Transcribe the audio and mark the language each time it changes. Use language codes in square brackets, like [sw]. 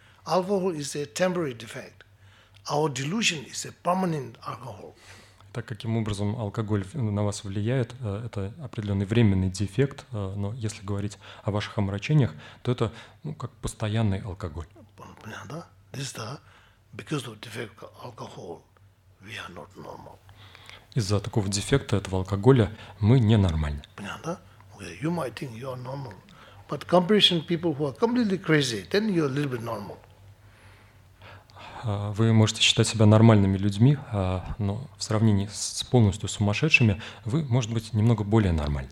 [en] Alcohol is a temporary defect. Our delusion is a permanent alcohol. [ru] Так каким образом алкоголь на вас влияет, это определенный временный дефект, но если говорить о ваших омрачениях, то это ну, как постоянный алкоголь. Понятно? [en] This is the, because of defect of alcohol, we are not normal. [ru] Из-за такого дефекта этого алкоголя мы ненормальны. Понятно? [en] Okay. You might think you are normal, but comparison people who are completely crazy, then you're a little bit normal. [ru] Вы можете считать себя нормальными людьми, но в сравнении с полностью сумасшедшими вы, может быть, немного более нормальны.